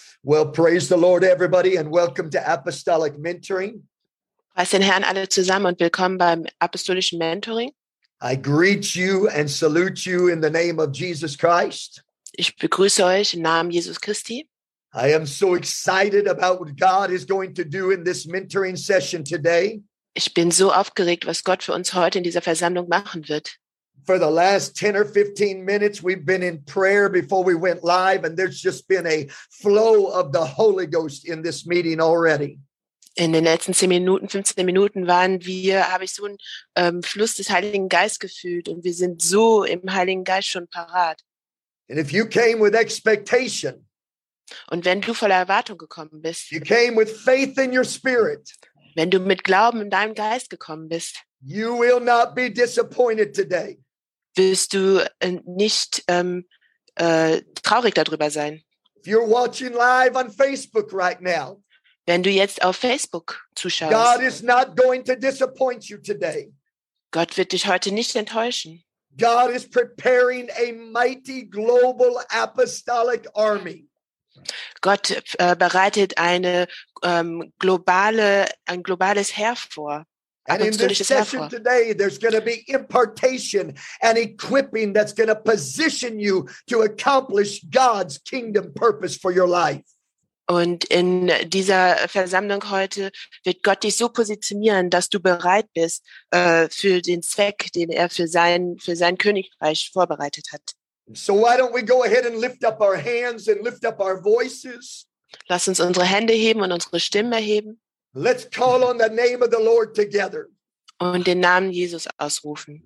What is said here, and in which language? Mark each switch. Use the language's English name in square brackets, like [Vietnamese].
[English] Well, praise the Lord, everybody, and welcome to Apostolic Mentoring. [German] Preis den Herrn alle zusammen und willkommen beim Apostolischen Mentoring. [English] I greet you and salute you in the name of Jesus Christ. [German] Ich begrüße euch im Namen Jesus Christi. [English] I am so excited about what God is going to do in this mentoring session today. [German] Ich bin so aufgeregt, was Gott für uns heute in dieser Versammlung machen wird. [English] For the last 10 or 15 minutes, we've been in prayer before we went live, and there's just been a flow of the Holy Ghost in this meeting already. [German] In den letzten 10 Minuten, 15 Minuten habe ich so einen Fluss des Heiligen Geistes gefühlt und wir sind so im Heiligen Geist schon parat. [English] And if you came with expectation, [German] und wenn du voller Erwartung gekommen bist, [English] you came with faith in your spirit, [German] wenn du mit Glauben in deinem Geist gekommen bist, [English] you will not be disappointed today. [German] Wirst du nicht traurig darüber sein. [English] If you're watching live on Facebook right now, [German] wenn du jetzt auf Facebook zuschaust, [English] God is not going to disappoint you today. [German] Gott wird dich heute nicht enttäuschen. [English] God is preparing a mighty global apostolic army. [German] Gott bereitet eine globales Heer vor. [English] And in this session today, there's going to be impartation and equipping that's going to position you to accomplish God's kingdom purpose for your life. [German] Und in dieser Versammlung heute wird Gott dich so positionieren, dass du bereit bist für den Zweck, den er für sein Königreich vorbereitet hat. [English] So why don't we go ahead and lift up our hands and lift up our voices? [German] Lass uns unsere Hände heben und unsere Stimmen erheben. [English] Let's call on the name of the Lord together. [German] Und den Namen Jesus ausrufen.